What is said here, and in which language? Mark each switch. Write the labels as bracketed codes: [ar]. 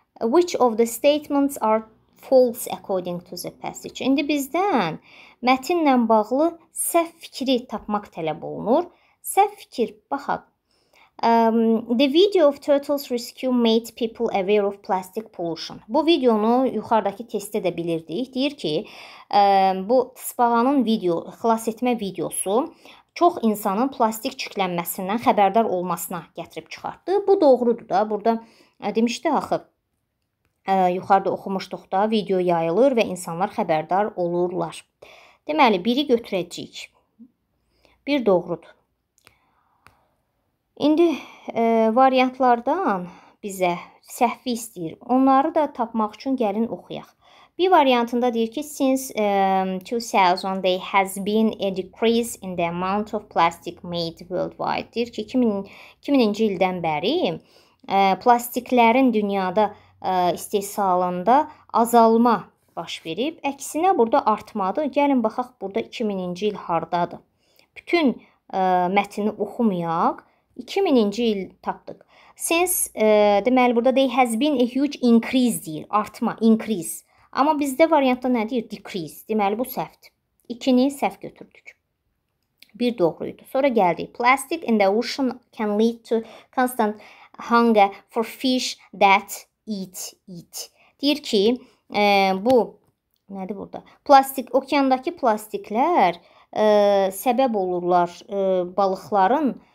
[en] Which of the statements are false according to the passage? [az] İndi bizdən mətinlə bağlı səhv fikri tapmaq tələb olunur. Səhv fikir, baxaq. [en] The video of Turtles Rescue made people aware of plastic pollution. [az] Bu videonu yuxarıdakı testdə də bilirdik. Deyir ki, bu tısbağanın video, xilas etmə videosu çox insanın plastik çirklənməsindən xəbərdar olmasına gətirib çıxartdı. Bu doğrudur da. Burada demişdi axı, yuxarıda oxumuşduq da, video yayılır və insanlar xəbərdar olurlar. Deməli, biri götürəcəyik. Bir doğrudur. İndi variantlardan bizə səhvi istəyir. Onları da tapmaq üçün gəlin oxuyaq. [en] Bir variantında deyir ki, since 2000 there has been a decrease in the amount of plastic made worldwide. [az] Deyir ki, 2000-ci ildən bəri plastiklərin dünyada istehsalında azalma baş verib. Əksinə burada artmadır. Gəlin baxaq burada 2000-ci il hardadır. Bütün mətini oxumayaq. 2000-ci il tapdıq. [en] Since, deməli, burada there has been a huge increase deyir. [az] Artma, increase. Amma bizdə variantda nə deyir? Decrease. Deməli, bu səhvdir. İkini səhv götürdük. Bir doğruydu. Sonra gəldik. [en] Plastic in the ocean can lead to constant hunger for fish that eat it. [az] Deyir ki, bu, nədir burada? Plastik, okeandakı plastiklər səbəb olurlar balıqların.